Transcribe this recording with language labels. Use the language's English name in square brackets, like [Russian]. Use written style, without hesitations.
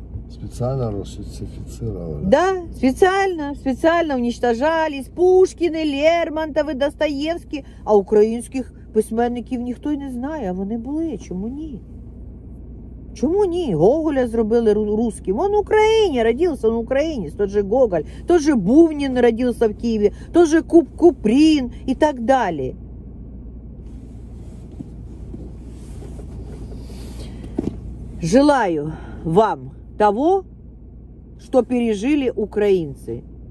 [Russian] Специально русифицировали. Да, специально. Специально уничтожались. Пушкины, Лермонтовы, Достоевские. [Ukrainian] А [Russian] украинских [Ukrainian] письменників ніхто не знає. А вони були. Чому ні? Чому ні? Гоголя зробили [Russian] русским. Он в Україні родился, он в Україні. Тот же Гоголь, тот же Бувнін родился в Києві, тот же Куприн [Ukrainian] і так далі. [Russian] Желаю вам того, что пережили украинцы.